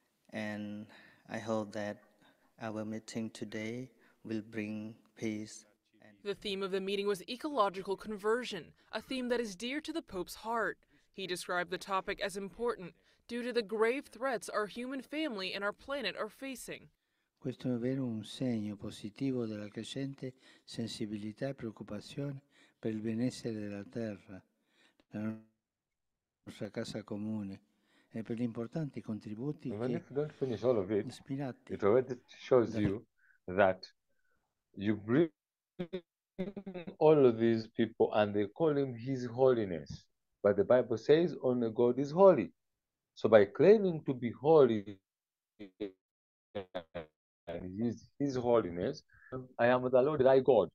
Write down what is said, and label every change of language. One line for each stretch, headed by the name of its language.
English: And I hope that our meeting today will bring peace. The theme of the meeting was ecological conversion, a theme that is dear to the Pope's heart. He described the topic as important due to the grave threats our human family and our planet are facing.
Italian: Questo è vero un segno positivo della crescente sensibilità e preoccupazione per il benessere della terra, la nostra casa comune, e per gli importanti contributi
English: when
Italian: che
English: you don't finish all of it,
Italian: ispirati.
English: It already shows you that you bring all of these people and they call him His Holiness, but the Bible says only God is holy. So by claiming to be holy and His Holiness, I am the Lord thy God.